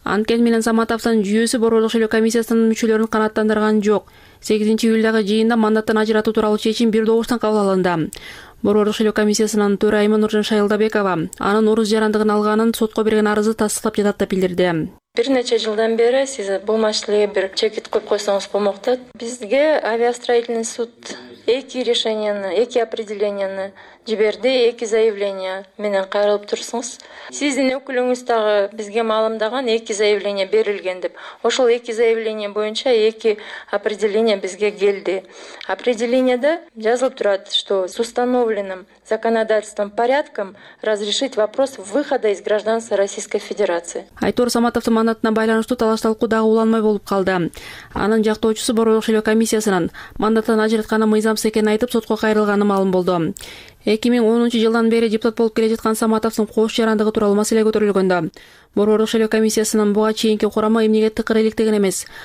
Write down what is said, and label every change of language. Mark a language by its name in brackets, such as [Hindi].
[Kyrgyz] Анткен менен Саматовдун жүйөсү борбордук шайлоо комиссиясынын мүчөлөрүн канааттандырган жок. 8-июлдагы жыйында мандаттан ажыратуу тууралуу чечим бир добуштан кабыл алынды. Борбордук шайлоо комиссиясынын төрайымы Нуржан Шайылдабекова анын орус жарандыгын алганын сотко берген арызы тастыктап жатат деп билдирди. Бир нече жылдан бери сиз бул маселеге бир чекит коюп койсоңуз болмокту. Бизге авиастроительный суд эки решенияны, эки определенияны жиберди, эки заявление менен кайрылып турсуңуз. Сиздин өкүлүңүз дагы бизге маалымдаган эки заявление берилген деп. Ошол эки заявление боюнча эки определение бизге келди. Определенияда жазылып турат, [Russian] что с установленным законодательством порядком разрешить вопрос выхода из гражданства Российской Федерации. [Kyrgyz] Айтор Саматовдун мандатына байланыштуу талаш талкуу дагы уланмай болуп калды. Анын жактоочусу Борбордук шайлоо комиссиясынан мандаттан ажыратканы мыйзамсыз экенин айтып сотко кайрылганы маалым болду. 2010-жылдан бери депутат болуп келе жаткан Саматовдун кош жарандыгы тууралуу маселе көтөрүлгөндө Борбордук шайлоо комиссиясынын буга чейинки курамы эмнеге тыкыр иликтеген эмес?